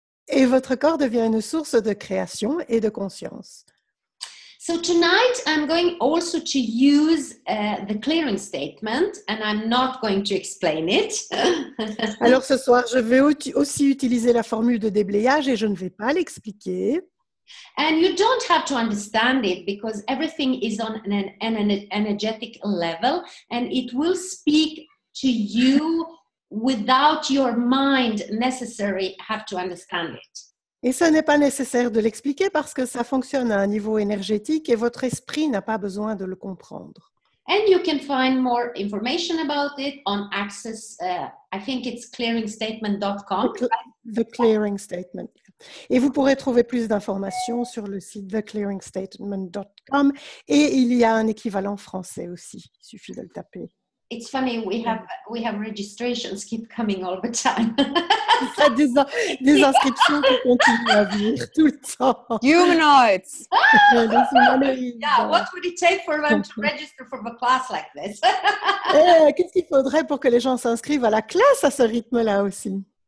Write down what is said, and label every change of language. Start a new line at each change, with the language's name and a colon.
French: Et votre corps devient une source de création et de conscience.
English: So tonight I'm going also to use the clearing statement and I'm not going to explain it.
French: Alors ce soir, je vais aussi utiliser la formule de déblayage et je ne vais pas l'expliquer.
English: And you don't have to understand it because everything is on an energetic level and it will speak to you without your mind necessary have to understand it.
French: Et ce n'est pas nécessaire de l'expliquer parce que ça fonctionne à un niveau énergétique et votre esprit n'a pas besoin de le comprendre.
English: And you can find more information about it on access, I think it's clearingstatement.com. The Clearing Statement.
French: Et vous pourrez trouver plus d'informations sur le site theclearingstatement.com et il y a un équivalent français aussi, il suffit de le taper.
English: It's funny, we have registrations keep coming all the time.
French: des inscriptions qui continuent à venir tout le temps.
English: Humanoids! Yeah, what would it take for them to register for a class like this?
French: qu'est-ce qu'il faudrait pour que les gens s'inscrivent à la classe à ce rythme-là aussi?